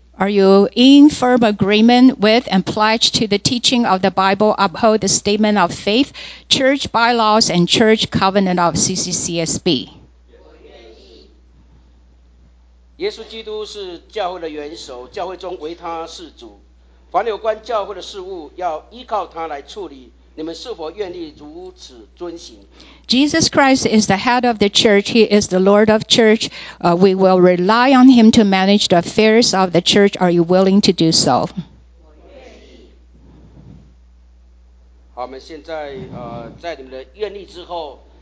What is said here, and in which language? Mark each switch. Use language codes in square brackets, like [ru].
[en] Are you in firm agreement with and pledged to the teaching of the Bible, uphold the statement of faith, church bylaws, and church covenant of CCCSB? [zh] 耶稣基督是教会的元首，教会中唯他是主。 [en] Jesus Christ is the head of the church. He is the Lord of church. We will rely on him to manage the affairs of the church. Are you willing to do so? [zh] 好，我们现在在你们的愿意之后。